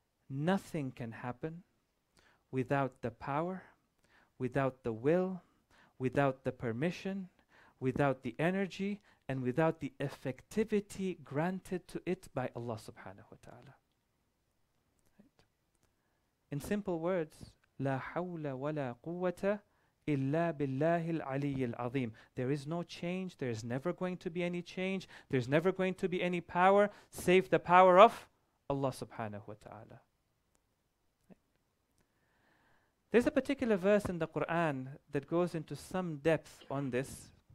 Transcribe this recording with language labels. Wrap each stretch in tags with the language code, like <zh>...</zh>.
<en>Nothing can happen without the power, without the will, without the permission, without the energy, and without the effectivity granted to it by Allah subhanahu wa ta'ala. Right. In simple words,</en> <ar>لا حول ولا قوة إلا بالله العلي العظيم.</ar> <en>There is no change, there is never going to be any change, there is never going to be any power save the power of Allah subhanahu wa ta'ala. Right. There's a particular verse in the Quran that goes into some depth on this.</en>